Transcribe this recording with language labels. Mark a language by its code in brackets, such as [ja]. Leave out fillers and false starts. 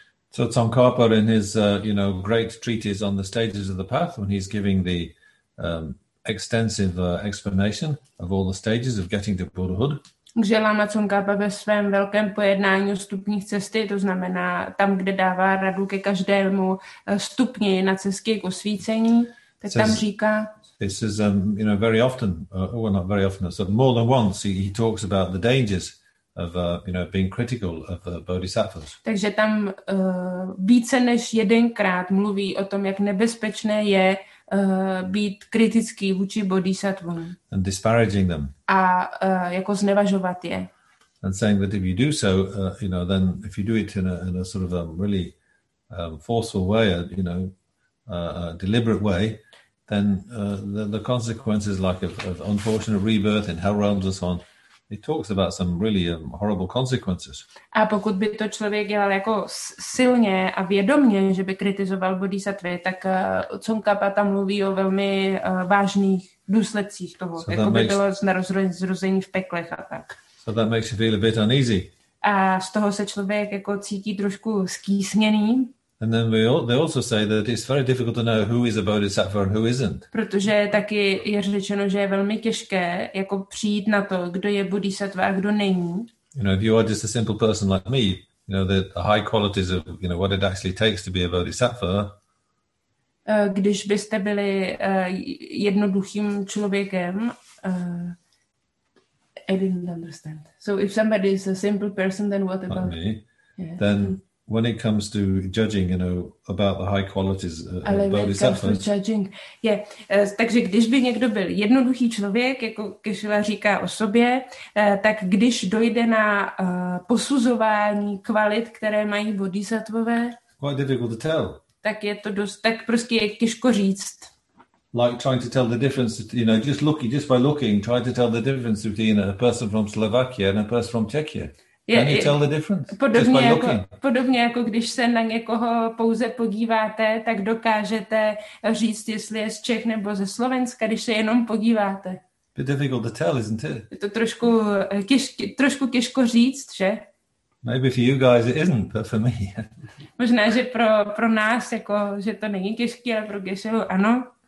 [en] So Tsongkhapa in his great treatise on the stages of the path, when he's giving the extensive explanation of all the stages of getting to Buddhahood. [cs] Takže Lama Tsongkhapa ve svém velkém pojednání o stupních cesty, to znamená tam, kde dává radu ke každému stupni na cestě k osvícení, tak [en] says, [cs] tam říká. [en] This is very often, not very often, but more than once, he talks about the dangers of being critical of bodhisattvas. [cs] Takže tam více než jedenkrát mluví o tom, jak nebezpečné je být kritický vůči bodhisattvům. [en] And disparaging them. [cs] A jako znevažovat je. [en] And saying that if you do so, then if you do it in a sort of a really forceful way, a deliberate way, then the consequences like of unfortunate rebirth in hell realms and so on. He talks about some really horrible consequences. [cs] A pokud by to člověk dělal jako silně a vědomně, že by kritizoval bodhisattvy, tak Tsongkhapa tam mluví o velmi vážných důsledcích toho, so jako [en] by makes, [cs] bylo zrození v peklech a tak. [en] So that makes you feel a bit uneasy. [cs] A z toho se člověk jako cítí trošku skýsněný. [en] And then they also say that it's very difficult to know who is a bodhisattva and who isn't. [cs] Protože taky je řečeno, že je velmi těžké jako přijít na to, kdo je bodhisattva a kdo není. [en] If you are just a simple person like me, the high qualities of what it actually takes to be a bodhisattva. [cs] Když byste byli jednoduchým člověkem, [en] I didn't understand. So if somebody is a simple person, then what about me? Yeah. Then when it comes to judging, about the high qualities of bodhisattvas. Judging. Yeah. [cs] Takže když by někdo byl jednoduchý člověk, jako Kešila říká o sobě, tak když dojde na posuzování kvalit, které mají bodhisattvové, [en] quite difficult to tell. [cs] Tak je to dost, tak prostě je těžko říct. [en] Like trying to tell the difference, try to tell the difference between a person from Slovakia and a person from Czechia. Can you tell the difference? [cs] Podobně jako když se na někoho pouze podíváte, tak dokážete říct, jestli je z Čech nebo ze Slovenska, když se jenom podíváte. [en] Bit difficult to tell, isn't it? [cs] Je to trošku těžko říct, že? [en] Maybe for you guys it isn't, but for me. [cs] Možná, že pro nás, jako, že to není těžké, ale pro Gešelu ano.